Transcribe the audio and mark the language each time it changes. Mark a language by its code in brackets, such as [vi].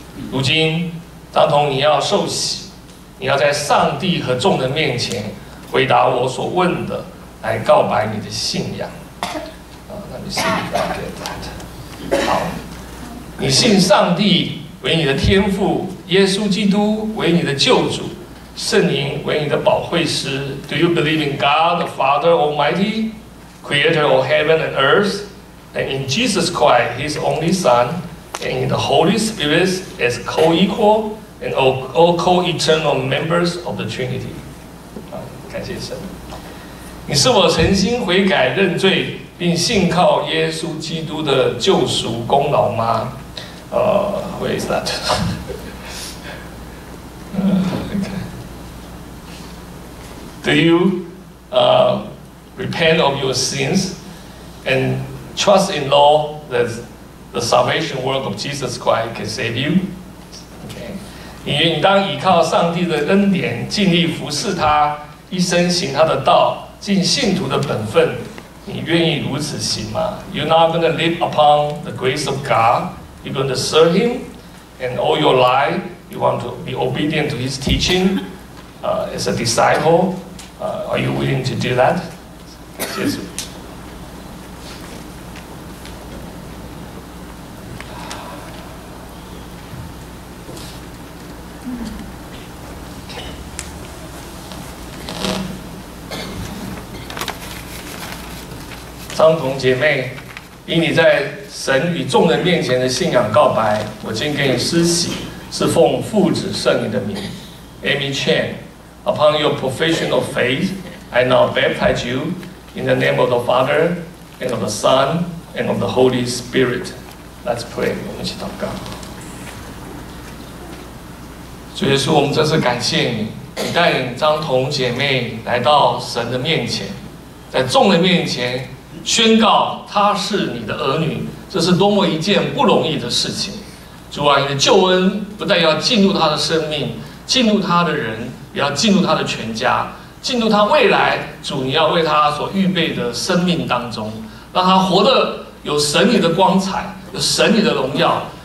[zh] 如今张彤，你要受洗，你要在上帝和众人面前回答我所问的，来告白你的信仰。 [en] Let me see if I get that。 [zh] 好，你信上帝为你的天父，耶稣基督为你的救主，圣灵为你的保惠师。 [en] Do you believe in God the Father Almighty, Creator of heaven and earth, and in Jesus Christ, His only Son, and in the Holy Spirit as co-equal and all co-eternal members of the Trinity? [zh] 感谢神。你是否诚心悔改认罪，并信靠耶稣基督的救赎功劳吗？ [en] Where is that? Do you repent of your sins and trust in law that the salvation work of Jesus Christ can save you? Okay. [zh] 你当依靠上帝的恩典，尽力服侍他，一生行他的道，尽信徒的本分，你愿意如此行吗？ [en] You're not going to live upon the grace of God. You're going to serve Him. And all your life, you want to be obedient to His teaching as a disciple. Are you willing to do that? [zh] 谢谢。昌同姐妹，以你在神与众人面前的信仰告白，我今给你施洗，是奉父子圣灵的名。 [en] Amy Chan, upon your professional faith, I now baptize you in the name of the Father, and of the Son, and of the Holy Spirit. Let's pray. [zh] 我们一起祷告。主耶稣，我们真是感谢你，你带领张彤姐妹来到神的面前，在众人面前宣告她是你的儿女，这是多么一件不容易的事情。主啊，你的救恩不但要进入她的生命，进入她的人，也要进入她的全家，进入她未来，主你要为她所预备的生命当中，让她活得有神你的光彩，有神你的荣耀。